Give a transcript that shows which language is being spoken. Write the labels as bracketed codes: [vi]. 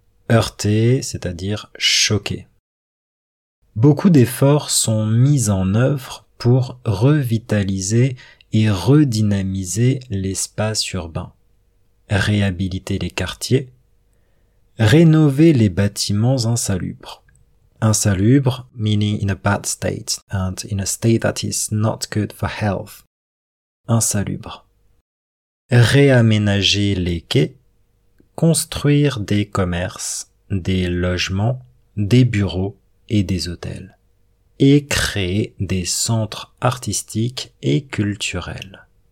[fr] Heurté, c'est-à-dire choqué. Beaucoup d'efforts sont mis en œuvre pour revitaliser et redynamiser l'espace urbain, réhabiliter les quartiers, rénover les bâtiments insalubres. [en] Insalubre, meaning in a bad state, and in a state that is not good for health. [fr] Insalubre. Réaménager les quais, construire des commerces, des logements, des bureaux et des hôtels. Et créer des centres artistiques et culturels.